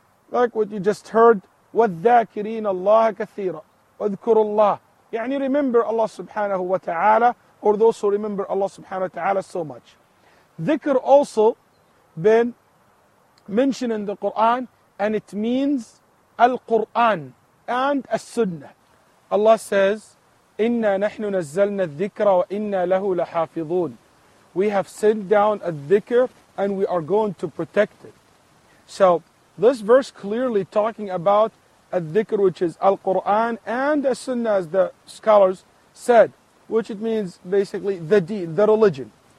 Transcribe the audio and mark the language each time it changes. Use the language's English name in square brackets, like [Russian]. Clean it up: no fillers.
[English] Like what you just heard, [Arabic] وَالذَّاكِرِينَ اللَّهَ كَثِيرًا وَاذْكُرُ اللَّهِ. [English] يعني remember Allah subhanahu wa ta'ala, or those who remember Allah subhanahu wa ta'ala so much. Dhikr also been mentioned in the Quran, and it means Al-Quran and As-Sunnah. Allah says, [Arabic] إِنَّا نَحْنُ نَزَّلْنَا الذِّكْرَ وَإِنَّا لَهُ لَحَافِظُونَ. [English] We have sent down a dhikr, and we are going to protect it. So, this verse clearly talking about al-dhikr, which is al-Qur'an, and as soon as the scholars said, which it means basically the deen, the religion.